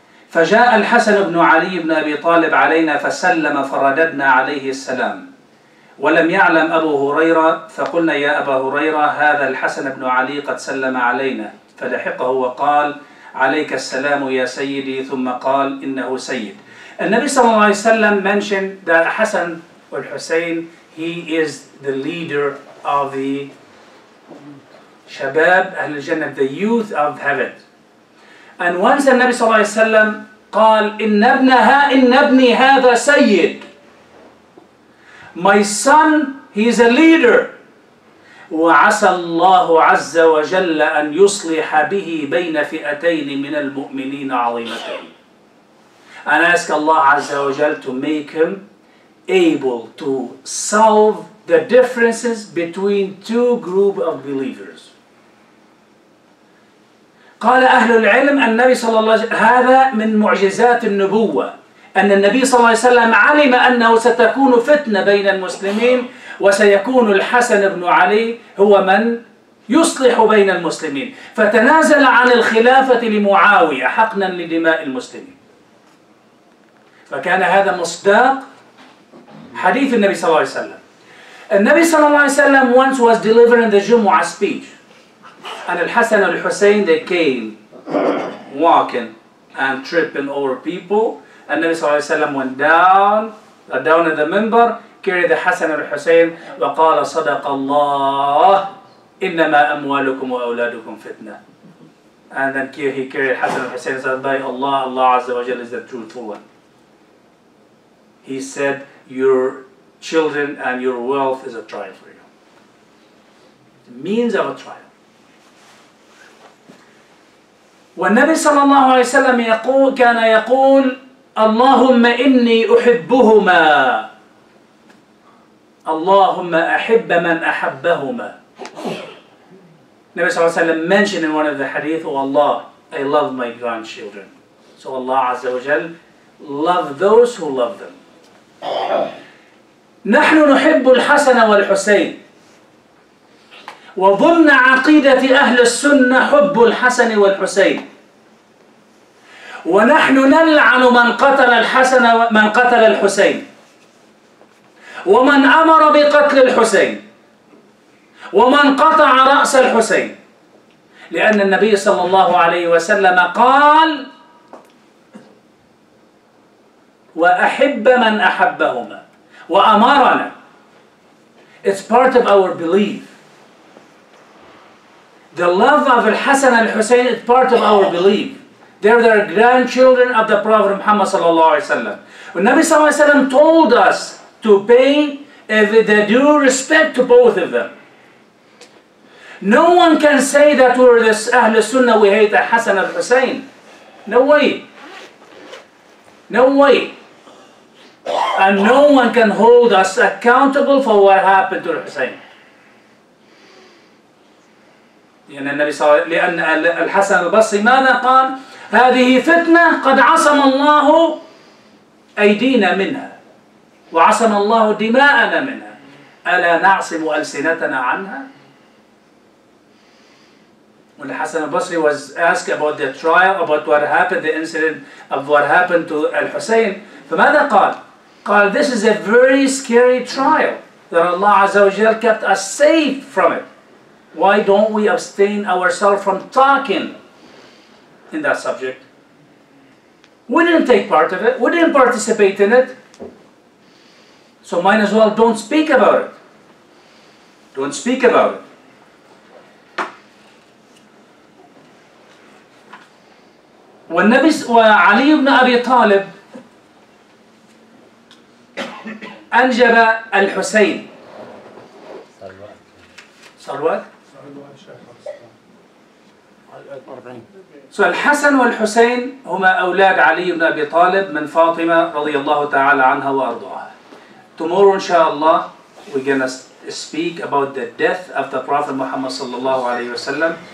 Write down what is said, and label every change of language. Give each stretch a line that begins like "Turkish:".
Arabic: فجاء الحسن بن علي بن أبي طالب علينا فسلم فرددنا عليه السلام ولم يعلم أبو هريرة فقلنا يا أبا هريرة هذا الحسن بن علي قد سلم علينا فلحقه وقال عليك السلام يا سيدي ثم قال إنه سيد. النبي صلى الله عليه وسلم
English: mentioned that حسن والحسين he is the leader of the Shabab Ahl al-Jannah, the youth of heaven. And once the Nabi sallallahu alayhi wa sallam
Arabic: قال إِنَّبْنِي هَذَا سَيِّد.
English: My son, he is a leader.
Arabic: وَعَسَى اللَّهُ عَزَّ وَجَلَّ أَنْ يُصْلِحَ بِهِ بَيْنَ فِئَتَيْنِ مِنَ الْمُؤْمِنِينَ عَظِيمَتَيْنِ.
English: And ask Allah Azza wa Jal to make him able to solve the differences between two group of believers.
Arabic: قال أهل العلم أن النبي صلى الله عليه وسلم هذا من معجزات النبوة أن النبي صلى الله عليه وسلم علم أنه ستكون فتنة بين المسلمين وسيكون الحسن بن علي هو من يصلح بين المسلمين فتنازل عن الخلافة لمعاوية حقنا لدماء المسلمين فكان هذا مصداق حديث النبي صلى الله عليه وسلم. النبي صلى الله عليه وسلم
English: once was delivering the Jumu'ah speech. And Al-Hasan and Al-Husayn, they came walking and tripping over people. And Nabi sallallahu alayhi wa sallam went down at the minbar, carried the Hasan and Al-Husayn,
Arabic: وَقَالَ صَدَقَ اللَّهُ إِنَّمَا أَمْوَالُكُمْ وَأَوْلَادُكُمْ فِتْنَةٌ.
English: And then he carried Hasan and Al-Husayn and said, by Allah, Allah Azza wa Jal is the truthful one. He said, your children and your wealth is a trial for you. The means of a trial.
Arabic: والنبي صلى الله عليه وسلم يقول كان يقول اللهم إني أحبهما اللهم أحب من أحبهما
English: Nabi Sallallahu Alaihi Wasallam mentioned in one of the hadith, "Oh Allah, I love my grandchildren." So Allah Azza wa Jal love those who love them.
Arabic: نحن نحب الحسن والحسين وضمن عقيدة أهل السنة حب الحسن والحسين ونحن نلعن من قتل الحسن ومن قتل الحسين ومن أمر بقتل الحسين ومن قطع رأس الحسين لأن النبي صلى الله عليه وسلم قال وأحب من أحبهما وأمرنا.
English: It's part of our belief. The love of Al-Hasan Al-Husayn is part of our belief. They're the grandchildren of the Prophet Muhammad sallallahu alaihi wasallam. When Nabi sallallahu alaihi wasallam told us to pay the due respect to both of them. No one can say that we're this Ahl Sunnah, we hate Al-Hasan Al-Husayn. No way. No way. And no one can hold us accountable for what happened to Al-Husayn.
Arabic: لأن النبي صلى الله عليه وسلم لأن الحسن البصري ماذا قال هذه فتنة قد عصم الله أيدينا منها وعصم الله دماءنا منها ألا نعصم ألسنتنا عنها.
English: When Hassan al-Basri was asked about the trial, about what happened, the incident of what happened to Al-Husayn,
Arabic: فماذا قال؟ قال
English: this is a very scary trial that Allah Azza wa Jal kept us safe from it. Why don't we abstain ourselves from talking in that subject? We didn't take part of it. We didn't participate in it. So might as well don't speak about it. Don't speak about it.
Arabic: والنبي وعلي بن أبي طالب أنجب الحسين. صلوات. سؤال الحسن والحسين هما أولاد علي بن أبي طالب من فاطمة رضي الله تعالى عنها وأرضاها.
English: Tomorrow, inshallah, we're gonna speak about the death of the Prophet Muhammad
Arabic: صلى الله عليه وسلم.